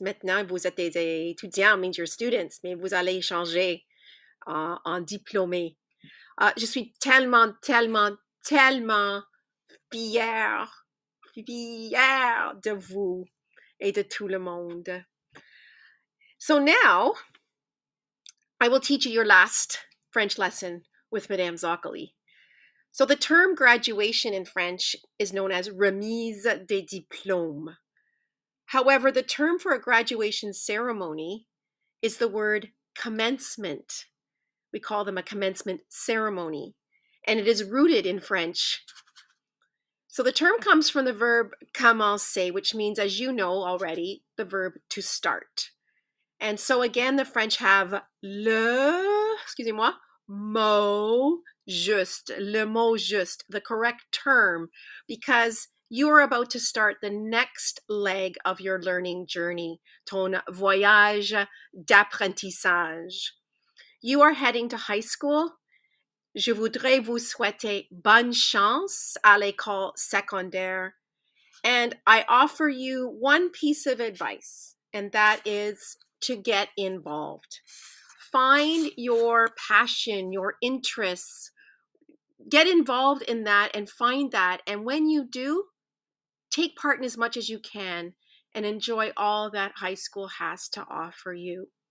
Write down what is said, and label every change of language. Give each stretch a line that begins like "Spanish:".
French: Maintenant, vous êtes des étudiants,
English: means you're students,
French: mais vous allez changer en diplômé. Je suis tellement, tellement, tellement fière de vous et de tout le monde.
English: So now, I will teach you your last French lesson with Mme. Zoccoli. So the term graduation in French is known as
French: remise des diplômes.
English: However, the term for a graduation ceremony is the word commencement. We call them a commencement ceremony, and it is rooted in French. So the term comes from the verb commencer, which means, as you know already, the verb to start. And so again, the French have le mot juste, the correct term, because you are about to start the next leg of your learning journey,
French: ton voyage d'apprentissage.
English: You are heading to high school.
French: Je voudrais vous souhaiter bonne chance à l'école secondaire.
English: And I offer you one piece of advice, and that is to get involved. Find your passion, your interests. Get involved in that and find that. And when you do, take part in as much as you can and enjoy all that high school has to offer you.